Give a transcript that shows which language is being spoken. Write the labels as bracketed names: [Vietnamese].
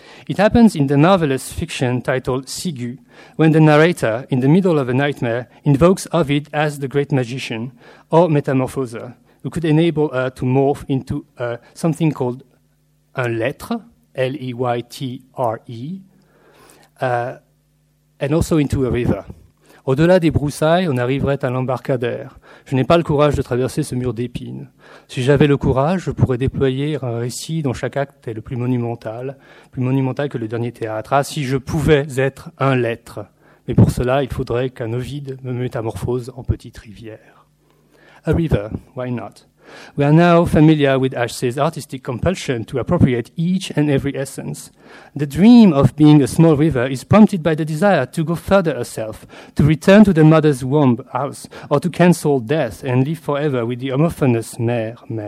[English] It happens in the novelist fiction titled Sigu, when the narrator, in the middle of a nightmare, invokes Ovid as the great magician or metamorphoser, who could enable her to morph into something called un lettre, L-E-Y-T-R-E, and also into a river. [French] Au-delà des broussailles, on arriverait à l'embarcadère. Je n'ai pas le courage de traverser ce mur d'épines. Si j'avais le courage, je pourrais déployer un récit dont chaque acte est le plus monumental que le dernier théâtre. Ah, si je pouvais être un lettre. Mais pour cela, il faudrait qu'un Ovide me métamorphose en petite rivière. [English] A river, why not? We are now familiar with H.C.'s artistic compulsion to appropriate each and every essence. The dream of being a small river is prompted by the desire to go further herself, to return to the mother's womb house, or to cancel death and live forever with the homophonous mère.